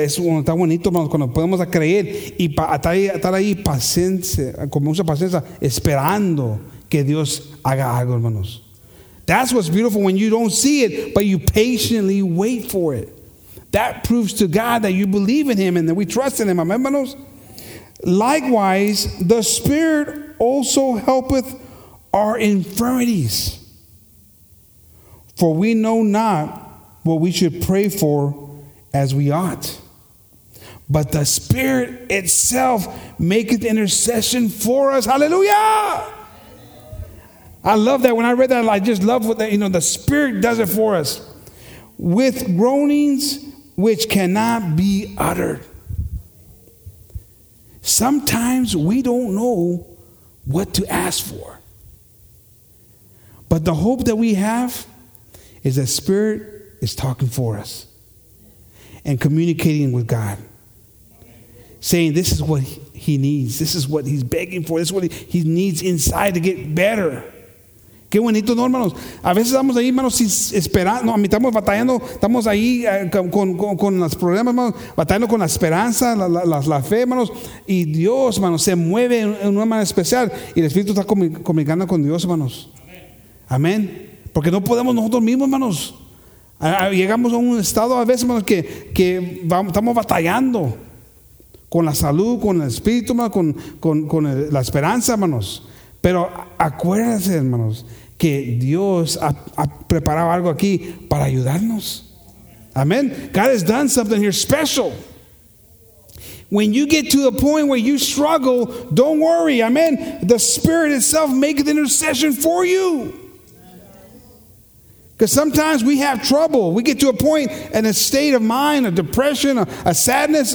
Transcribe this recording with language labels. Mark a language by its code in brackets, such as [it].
[es] Es uno tan bonito, hermanos, cuando podemos creer y estar ahí paciencia, con mucha paciencia, esperando que Dios haga algo, hermanos. [en] That's what's beautiful when you don't see it, but you patiently wait for it. That proves to God that you believe in him and that we trust in him. Amen, hermanos. Likewise, the Spirit also helpeth our infirmities. For we know not what we should pray for as we ought. But the Spirit itself maketh intercession for us. Hallelujah! I love that. When I read that, I just love what that, you know, the Spirit does it for us. With groanings which cannot be uttered. Sometimes we don't know what to ask for. But the hope that we have is that Spirit is talking for us. and communicating with God, saying this is what he needs, this is what he's begging for, this is what he needs inside to get better. [es] Qué bonito, ¿no, hermanos? A veces estamos ahí, hermanos, esperando, no, estamos batallando, estamos ahí con los problemas, hermanos, batallando con la esperanza, la fe, hermanos, y Dios, hermanos, se mueve en una manera especial, y el Espíritu está comunicando con Dios, hermanos. Amén. Porque no podemos nosotros mismos, hermanos. Llegamos a un estado a veces, hermanos, que vamos, estamos batallando con la salud, con el Espíritu, hermanos, con la esperanza, hermanos. Pero acuérdense, hermanos, que Dios ha preparado algo aquí para ayudarnos. [en] Amén. God has done something here special. When you get to the point where you struggle, don't worry. Amén. The Spirit itself makes the intercession for you. Because sometimes we have trouble. We get to a point in a state of mind, a depression, a sadness.